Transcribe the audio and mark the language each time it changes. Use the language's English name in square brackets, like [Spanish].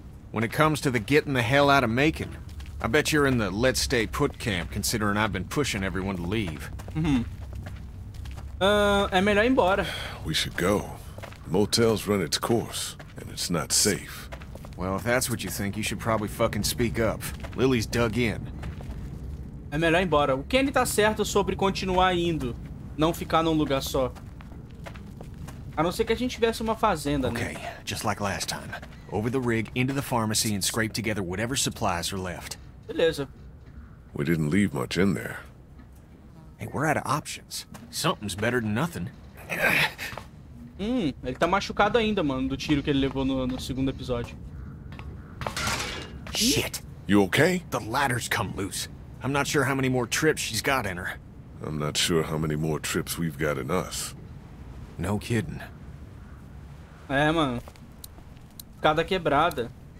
[English] When it comes to the getting the hell out of Macon, I bet you're in the let's stay put camp considering I've been pushing everyone to leave. [Portuguese] Mm-hmm. É melhor ir embora. [English] We should go. Motel's run its course, and it's not safe. Well, if that's what you think, you should probably fucking speak up. Lily's dug in. [Portuguese] É melhor ir embora. O Kenny tá certo sobre continuar indo, não ficar num lugar só. A não ser que a gente tivesse uma fazenda, né? [English] Okay, just like last time. Over the rig, into the pharmacy and scrape together whatever supplies are left. [Portuguese] Beleza. [English] We didn't leave much in there. Hey, we're out of options. Something's better than nothing. [Portuguese] Ele tá machucado ainda, mano, do tiro que ele levou no segundo episódio. [English] Shit. You okay? The ladder's come loose. I'm not sure how many more trips she's got in her. I'm not sure how many more trips we've got in us. No kidding. [Portuguese] É, mano. Cada quebrada.